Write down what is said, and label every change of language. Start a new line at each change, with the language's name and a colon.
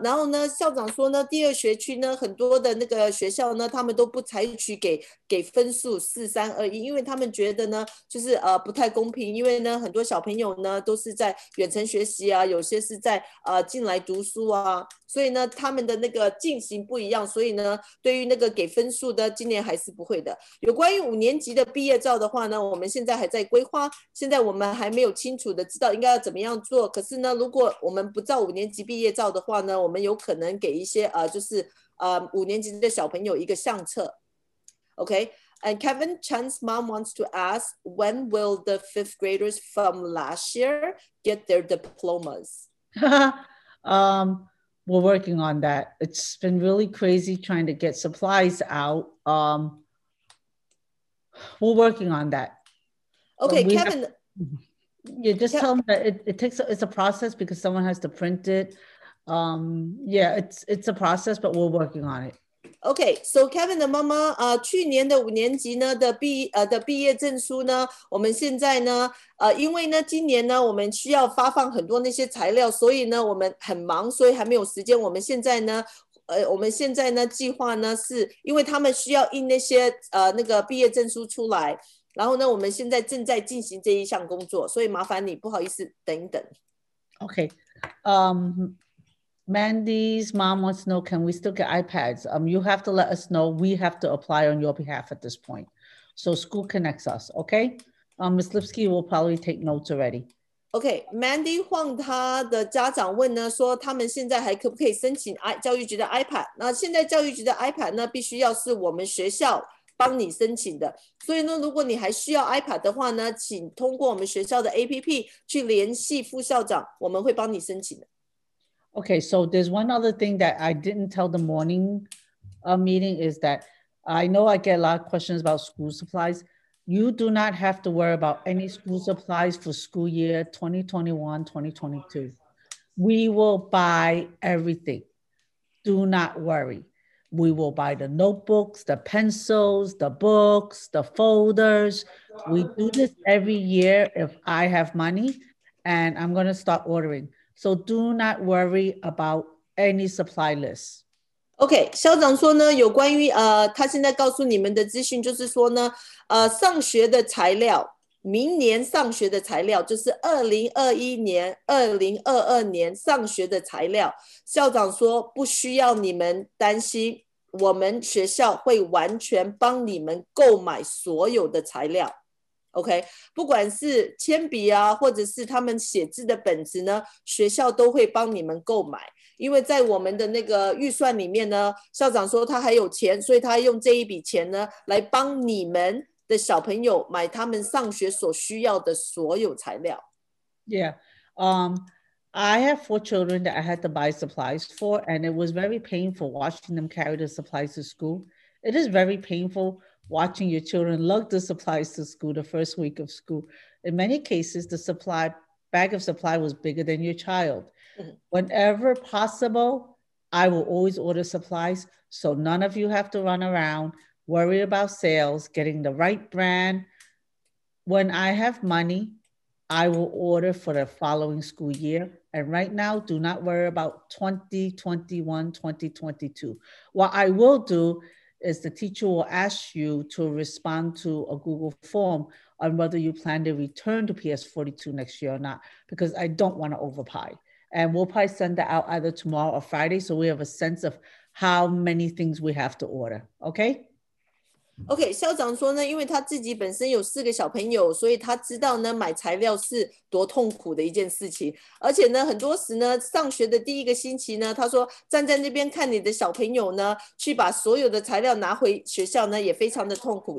Chinese: 然后呢，校长说呢，第二学区呢很多的那个学校呢，他们都不采取给分数4321，因为他们觉得呢，就是不太公平，因为呢很多小朋友呢都是在远程学习啊，有些是在进来读书啊，所以呢他们的那个进行不一样，所以呢对于那个给分数的今年还是不会的。有关于五年级的毕业照的话呢，我们现在还在规划，现在我们还没有清楚的知道应该要怎么样做，可是呢如果我们不照五年级毕业照的话呢，我们有可能给一些五年级的小朋友一个相册。
English: Okay, and Kevin Chen's mom wants to ask, when will the fifth graders from last year get their diplomas? We're working on that. It's been really crazy trying to get supplies out. We're working on that. Okay, Kevin. Tell me that it's a process because someone has to print it. It's a process, but we're working on it.
Chinese: Okay, so Kevin 的妈妈，去年的五年级呢的毕业证书呢，我们现在呢，因为呢今年呢我们需要发放很多那些材料，所以呢我们很忙，所以还没有时间。我们现在呢计划呢，是因为他们需要印那些那个毕业证书出来，然后呢我们现在正在进行这一项工作，所以麻烦你不好意思等一等。
English: Okay, Mandy's mom wants to know, can we still get iPads? You have to let us know. We have to apply on your behalf at this point. So school connects us, okay? Ms. Lipsky will probably take notes already.
Chinese: Okay, Mandy Huang, 她的家长问呢，说他们现在还可不可以申请教育局的 iPad? 那现在教育局的 iPad 呢，必须要是我们学校帮你申请的。所以呢，如果你还需要 iPad 的话呢，请通过我们学校的 APP 去联系副校长，我们会帮你申请的。
English: Okay, so there's one other thing that I didn't tell the morning meeting is that I know I get a lot of questions about school supplies. You do not have to worry about any school supplies for school year 2021-2022. We will buy everything. Do not worry. We will buy the notebooks, the pencils, the books, the folders. We do this every year if I have money, and I'm going to start ordering. So do not worry about any supply list.
Chinese: OK, 校长说呢，有关于他现在告诉你们的资讯就是说呢，上学的材料，明年上学的材料就是2021年、2022年上学的材料。校长说不需要你们担心，我们学校会完全帮你们购买所有的材料。 OK， 不管是铅笔啊，或者是他们写字的本子呢，学校都会帮你们购买。因为在我们的那个预算里面呢，校长说他还有钱，所以他用这一笔钱呢，来帮你们的小朋友买他们上学所需要的所有材料。
English: Yeah, I have four children that I had to buy supplies for, and it was very painful watching them carry the supplies to school. It is very painful. Watching your children lug the supplies to school the first week of school. In many cases, the supply bag of supply was bigger than your child. Mm-hmm. Whenever possible, I will always order supplies so none of you have to run around, worry about sales, getting the right brand. When I have money, I will order for the following school year. And right now, do not worry about 2021-2022. What I will do,is the teacher will ask you to respond to a Google form on whether you plan to return to PS42 next year or not, because I don't want to overpay. And we'll probably send that out either tomorrow or Friday, so we have a sense of how many things we have to order, okay?
Chinese: OK, 校长说呢，因为他自己本身有四个小朋友，所以他知道呢，买材料是多痛苦的一件事情。而且呢，很多时呢，上学的第一个星期呢，他说站在那边看你的小朋友呢，去把所有的材料拿回学校呢，也非常的痛苦。